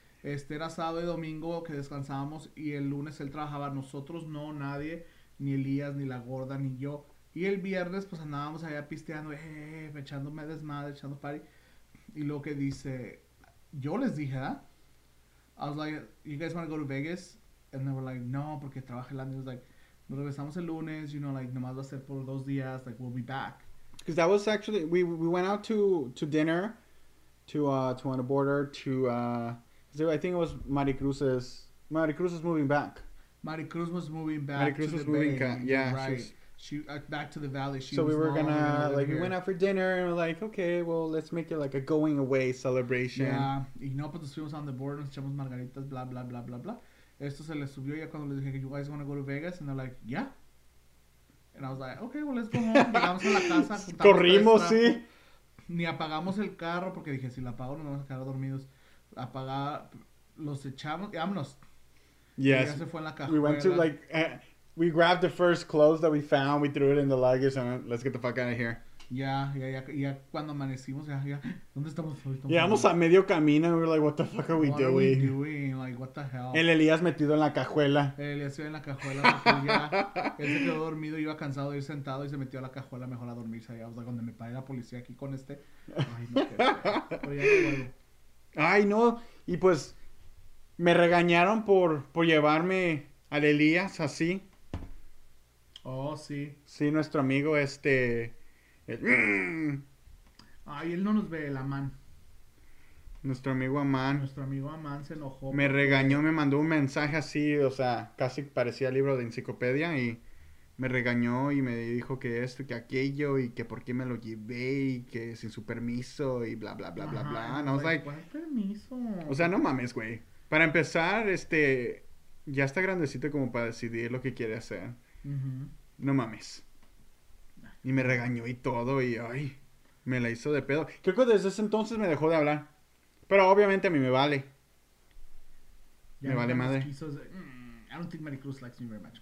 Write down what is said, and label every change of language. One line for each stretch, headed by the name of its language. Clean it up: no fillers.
Spanish: Era sábado y domingo que descansábamos y el lunes él trabajaba. Nosotros no, nadie, ni Elías, ni la gorda, ni yo. Y el viernes pues andábamos allá pisteando, echándome desmadre, echando party. Y lo que dice, yo les dije, ¿verdad?
English: I was like, you guys want to go to Vegas? And they were like, no,
Spanish: porque trabaja el año.
English: It was like,
Spanish: nos regresamos el lunes,
English: you know, like,
Spanish: nomás va a ser por 2 días,
English: like, we'll be back. Because that was actually, we went out to dinner, to On the Border, I think it was Maricruz's moving back. Maricruz was moving back. Maricruz was moving back, yeah. Right. She back to the valley. She so was we were gonna, like, here. We went out for dinner, and we're like, okay, well, let's make it like a going away celebration.
Spanish: Yeah, y no, pues nos fuimos On the Border, nos echamos margaritas, blah, blah, blah, blah, blah. Esto se le subió ya cuando le dije,
English: you guys want to go to Vegas? And they're like, yeah. And I was like, okay, well, let's go home.
Spanish: Llegamos a la casa. Corrimos, sí. Ni apagamos el carro porque dije, si lo apago, nos vamos a quedar dormidos. Apagar, los echamos, y vámonos.
English: Yes.
Spanish: Y ya se fue en la caja.
English: We went to, like, we grabbed the first clothes that we found. We threw it in the luggage and let's get the fuck out of here.
Spanish: Ya cuando amanecimos, ya. ¿Dónde estamos? Llegamos a medio camino
English: and we were like, what the fuck are we doing? What are we doing? Like, what the hell?
Spanish: El Elías metido en la cajuela. El Elías iba en la cajuela. Ya, él se quedó dormido, iba cansado de ir sentado y se metió a la cajuela mejor a dormirse allá. O sea, donde me paré la policía aquí con este. Ay, no. Ay, no. Y pues, me regañaron por llevarme al Elías así. Oh, sí. Sí, nuestro amigo Ay, él no nos ve, el Amán. Nuestro amigo Amán se enojó. Me regañó, me mandó un mensaje así, o sea, casi parecía libro de enciclopedia. Y me regañó y me dijo que esto y que aquello. Y que por qué me lo llevé y que sin su permiso y bla, bla, bla, bla, bla. ¿Cuál permiso? O sea, no mames, güey. Para empezar, ya está grandecito como para decidir lo que quiere hacer. No mames. Y me regañó y todo, y ay, me la hizo de pedo. Creo que desde ese entonces me dejó de hablar. Pero obviamente a mí me vale. Ya Me vale nunca más madre. quiso.
English: I don't think Mary Cruz likes me very much.